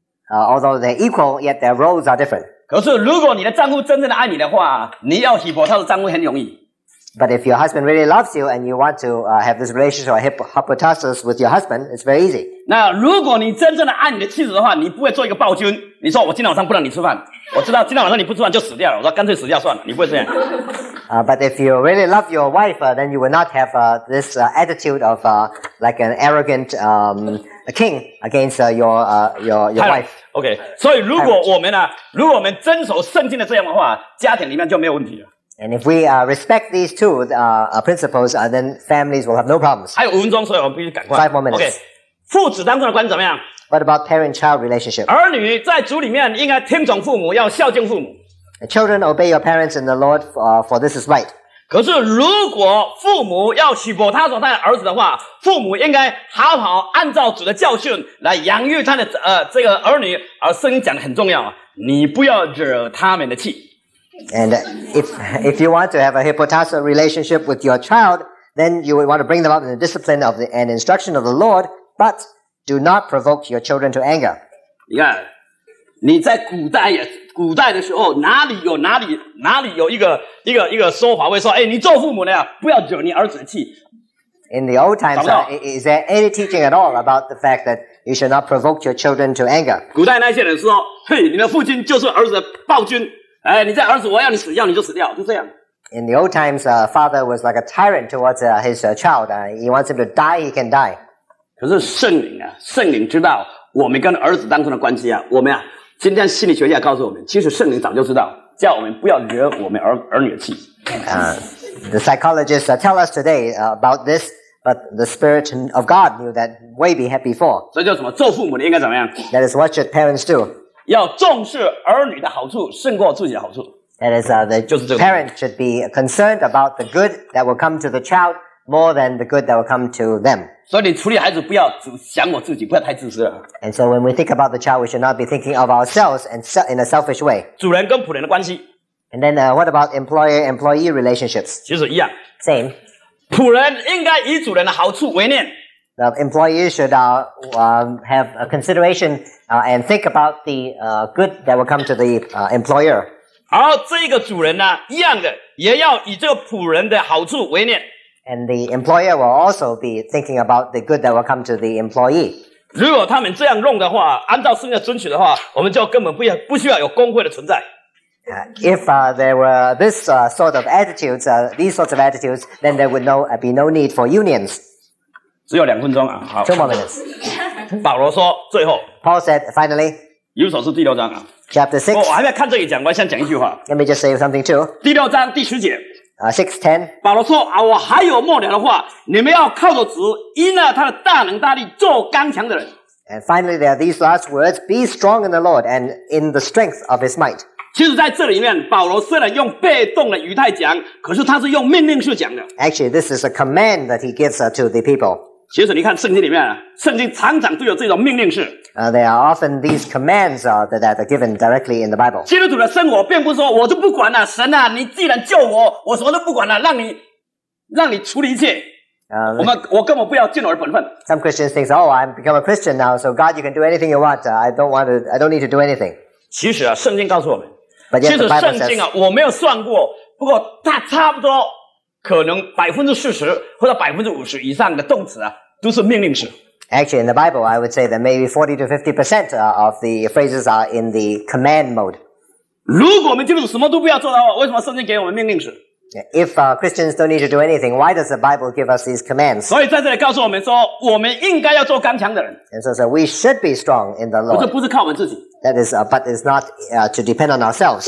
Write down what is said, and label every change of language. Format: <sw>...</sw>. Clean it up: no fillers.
<en>Although they're equal, yet their roles are different.</en> <zh>可是如果你的丈夫真正的爱你的话，你要许伯他的丈夫很容易。</zh> <en>But if your husband really loves you and you want to have this relationship or hypotasis with your husband, it's very easy.</en> <zh>那如果你真正的爱你的妻子的话，你不会做一个暴君。你说我今天晚上不让你吃饭，我知道今天晚上你不吃饭就死掉了。我说干脆死掉算了，你不会这样。</zh> <en>But if you really love your wife, then you will not have this attitude of like an arrogant a king against your wife. Okay.</en> <zh>所以如果我们呢、啊，如果我们遵守圣经的这样的话，家庭里面就没有问题了。</zh> <en>And if we respect these two principles, then families will have no problems.</en> <zh>还有五分钟，所以我们必须赶快。</zh> <en>Five more minutes. Okay.</en> <zh>父子当中的关系怎么样？</zh> <en>What about parent-child relationship?</en> <zh>儿女在主里面应该听从父母，要孝敬父母。</zh> <en>Children obey your parents in the Lord, for this is right.</en> <zh>可是如果父母要娶婆他所带的儿子的话，父母应该好好按照主的教训来养育他的这个儿女。而圣经讲的很重要，你不要惹他们的气。</zh> <en>And if you want to have a hypostatic relationship with your child, then you would want to bring them up in the discipline of the and instruction of the Lord, but do not provoke your children to anger.</en> <zh>你看，你在古代也古代的时候，哪里有哪里哪里有一个说法会说，哎，你做父母的呀，不要惹你儿子的气。</zh> <en>In the old times, is there any teaching at all about the fact that you should not provoke your children to anger?</en> <zh>古代那些人说，嘿，你的父亲就是儿子的暴君。哎，你这儿子，我要你死，要你就死掉，就这样。</zh> <en>In the old times, father was like a tyrant towards his child. He wants him to die, he can die.</en> <zh>可是圣灵啊，圣灵知道我们跟儿子当中的关系啊，我们啊，今天心理学家告诉我们，其实圣灵早就知道，叫我们不要惹我们儿女的气。</zh> <en>The psychologists tell us today about this, but the spirit of God knew that way before.</en> <zh>所以叫什么？做父母的应该怎么样</zh> <en>？That is what should parents do.</en> <zh>要重视儿女的好处胜过自己的好处。</zh> <en>That is, the parent should be concerned about the good that will come to the child more than the good that will come to them.</en> <zh>所以你处理孩子不要只想我自己，不要太自私了。</zh> <en>And so when we think about the child, we should not be thinking of ourselves and in a selfish way.</en> <zh>主人跟仆人的关系。</zh> <en>And then, what about employer-employee relationships?</en> <zh>其实一样。</zh> <en>Same.</en> <zh>仆人应该以主人的好处为念。</zh> <en>The employee should have a consideration and think about the good that will come to the employer.</en> <zh>而这个主人呢，一样的，也要以这个仆人的好处为念。</zh> <en>And the employer will also be thinking about the good that will come to the employee.</en> <zh>如果他们这样弄的话，按照圣经遵循的话，我们就根本不需要有工会的存在。</zh> <en>If there were this sort of attitudes, these sorts of attitudes, then there would be no need for unions.</en> <zh>只有两分钟啊，好。</zh> <en>Two more minutes.</en> <zh>保罗说，最后。</zh> <en>Paul said, finally.</en> <zh>以弗所书第六章啊。</zh> <en>Chapter 6.</en> <zh>我还没看这一讲，我先讲一句话。</zh> <en>Let me just say something too.</en> <zh>第六章第十节。</zh> <en>6:10.</en> <zh>保罗说啊，我还有末了的话，你们要靠着主，因着他的大能大力，做刚强的人。</zh> <en>And finally, there are these last words: Be strong in the Lord and in the strength of His might.</en> <zh>其实在这里面，保罗虽然用被动的语态讲，可是他是用命令式讲的。</zh> <en>Actually, this is a command that he gives to the people.</en> <zh>其实你看圣经里面，圣经常常都有这种命令式。</zh> <en>There are often these commands that are given directly in the Bible.</en> <zh>基督徒的生活并不是说我就不管了，神啊，你既然救我，我什么都不管了，让你处理一切。我根本不要尽我的本分。</zh> <en>Some Christians think, oh, I've become a Christian now, so God, you can do anything you want. I don't need to do anything.</en> <zh>其实啊，圣经告诉我们，</zh> <en>But yet,</en> <zh>其实圣经啊，</zh> <en>says,</en> <zh>我没有算过，不过它差不多。可能 40% 或者 50% 以上的动词啊都是命令式。</zh> <en>Actually, in the Bible, I would say that maybe 40-50% of the phrases are in the command mode.</en> <zh>如果我们基督徒什么都不要做的话，为什么圣经给我们命令式？</zh> <en>If Christians don't need to do anything, why does the Bible give us these commands?</en> <zh>所以在这里告诉我们说，我们应该要做刚强的人。</zh> <en>And so we should be strong in the Lord.</en> <zh>不是靠我们自己。</zh> <en>That is, but it's not to depend on ourselves.</en>